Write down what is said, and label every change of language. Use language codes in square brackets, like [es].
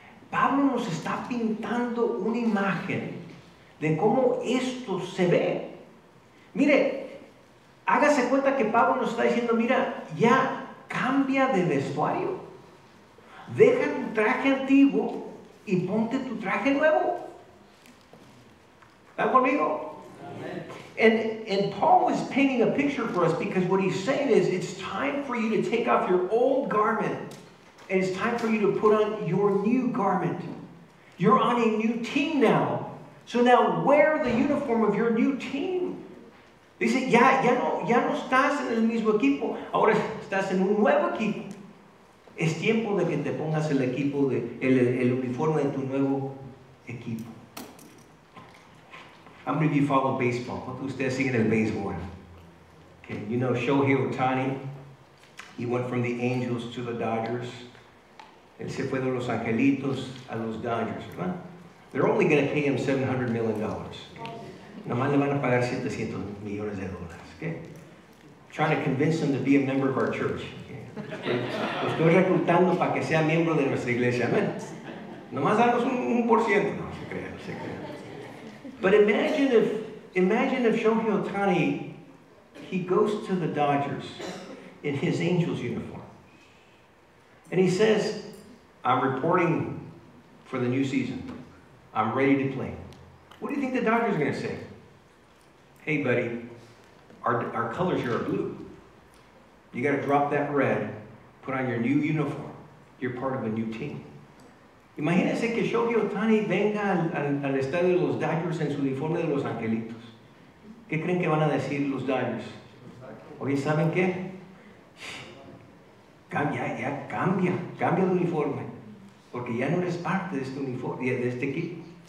[es] Pablo nos está pintando una imagen de cómo esto se ve. Mire, hágase cuenta que Pablo nos está diciendo, mira, ya cambia de vestuario. Deja tu traje antiguo y ponte tu traje nuevo. ¿Están conmigo? [en] And Paul is painting a picture for us, because what he's saying is it's time for you to take off your old garment and it's time for you to put on your new garment. You're on a new team now. So now wear the uniform of your new team. [es] Dice, ya no estás en el mismo equipo, ahora estás en un nuevo equipo. Es tiempo de que te pongas el equipo, el uniforme de tu nuevo equipo. [en] How many of you follow baseball? [es] ¿Cuántos de ustedes siguen el baseball? [en] Okay, you know Shohei Ohtani. He went from the Angels to the Dodgers. [es] Él se fue de Los Angelitos a los Dodgers, ¿verdad? [en] They're only going to pay him $700 million. [es] Nomás le van a pagar 700 millones de dólares, okay? [en] Trying to convince him to be a member of our church. [es] Lo estoy reclutando para que sea miembro de nuestra iglesia, amen. Nomás damos un por ciento. No, se crea, se crea. [en] But imagine if Shohei Ohtani, he goes to the Dodgers in his Angels uniform. And he says, I'm reporting for the new season. I'm ready to play. What do you think the Dodgers are going to say? Hey, buddy, our colors here are blue. You got to drop that red, put on your new uniform. You're part of a new team. [es] Imagínense que Shohei Ohtani venga al estadio de los Dodgers en su uniforme de los Angelitos. ¿Qué creen que van a decir los Dodgers? Oye, ¿saben qué? Cambia el uniforme. Porque ya no eres parte de este uniforme, de este equipo.